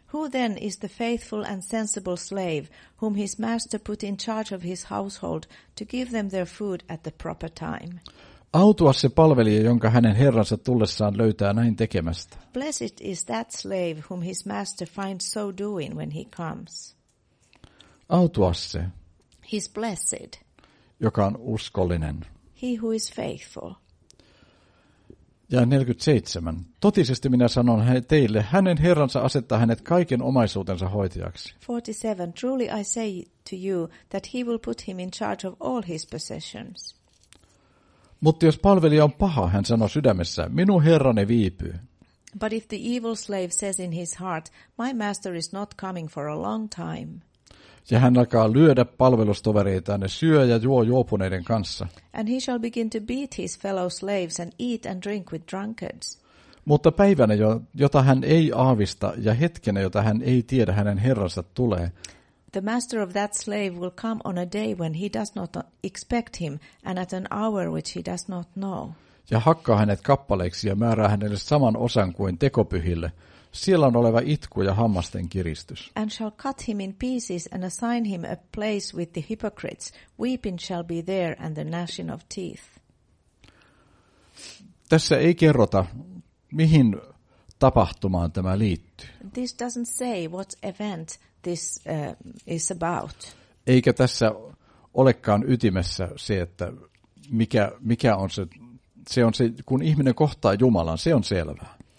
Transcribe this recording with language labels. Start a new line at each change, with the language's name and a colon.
English: Who then is the faithful and sensible slave whom his master put in charge of his household to give them their food at the proper time?
Finnish: Autua se palvelija, jonka hänen herransa tullessaan löytää näin tekemästä.
English: Blessed is that slave whom his master finds so doing when he comes.
Finnish: Autua se.
English: He's blessed.
Finnish: Joka on uskollinen.
English: He who is faithful.
Finnish: Ja 47. Totisesti minä sanon teille, hänen herransa asettaa hänet kaiken omaisuutensa hoitajaksi.
English: 47. Truly I say to you that he will put him in charge of all his possessions.
Finnish: Mutta jos palvelija on paha, hän sanoo sydämessä, minun herrani viipyy.
English: But if the evil slave says in his heart, my master is not coming for a long time.
Finnish: Ja hän alkaa lyödä palvelustovereitaan ja syö ja juo juopuneiden kanssa.
English: And he shall begin to beat his fellow slaves and eat and drink with drunkards.
Finnish: Mutta päivänä, jota hän ei aavista, ja hetkenä, jota hän ei tiedä, hänen herransa tulee.
English: The master of that slave will come on a day when he does not expect him and at an hour which he does not know.
Finnish: Ja hakkaa hänet kappaleiksi ja määrää hänelle saman osan kuin tekopyhille. Siellä on oleva itku ja hammasten kiristys.
English: And shall cut him in pieces and assign him a place with the hypocrites. Weeping shall be there and the gnashing of teeth.
Finnish: Tässä ei kerrota, mihin tapahtumaan tämä liittyy.
English: This doesn't say what event this is about.
Finnish: Eikä tässä olekaan ytimessä se, että mikä on se. Se on se, kun ihminen kohtaa Jumalan, se on selvää.